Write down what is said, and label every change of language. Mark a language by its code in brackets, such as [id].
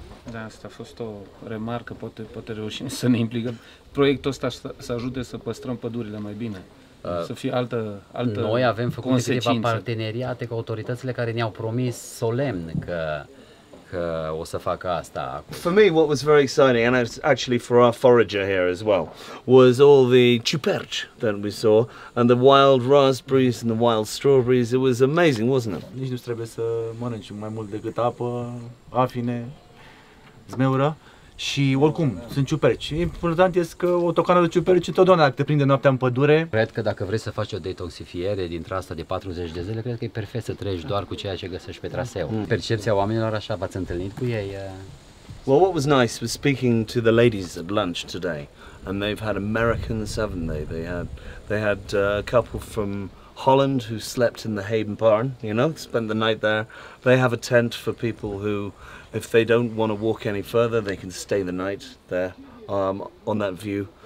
[ro] Da, asta a fost o remarcă, poate reușim să ne implicăm. Proiectul ăsta să ajute să păstrăm pădurile mai bine, să fie altă noi avem făcut câteva parteneriate cu autoritățile care ne-au promis solemn că o să facă asta. [en] For me, what was very exciting, and it's actually for our forager here as well, was all the ciuperci that we saw, and the wild raspberries and the wild strawberries. It was amazing, wasn't it? [ro] Nici nu trebuie să mănânci mai mult decât apă, afine, zmeură. Și oricum, sunt ciuperci. Important este că o tocană de ciuperci întotdeauna dacă te prinde noaptea în pădure. Cred că dacă vrei să faci o detoxifiere dintre asta de 40 de zile, cred că e perfect să treci doar cu ceea ce găsești pe traseu. Percepția oamenilor, așa, v-ați întâlnit cu ei? [en] Well, what was nice was speaking to the ladies at lunch today. And they've had Americans, haven't they? They had a couple from Holland who slept in the Hayden barn, you know, spent the night there. They have a tent for people who, if they don't want to walk any further, they can stay the night there on that view.